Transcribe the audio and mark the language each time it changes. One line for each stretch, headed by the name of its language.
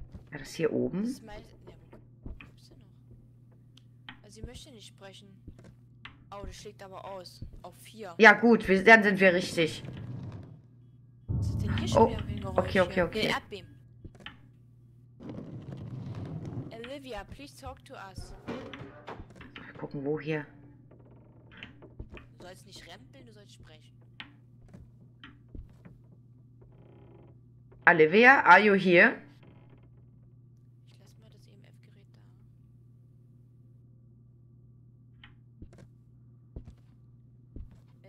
German: War das hier oben? Smile. Ne, wo gibt's denn noch? Also, sie möchte nicht sprechen. Oh, das schlägt aber aus. Auf 4. Ja, gut, dann sind wir richtig. Was ist denn hier schon Oh, wieder für ein Geräusch hier? Ne, okay. Erdbeben.
English: Olivia, please talk to us.
German: Gucken, wo hier. Du sollst nicht rempeln, du sollst sprechen.
English: Olivia, are you here?
German: Ich lasse mal das EMF-Gerät da.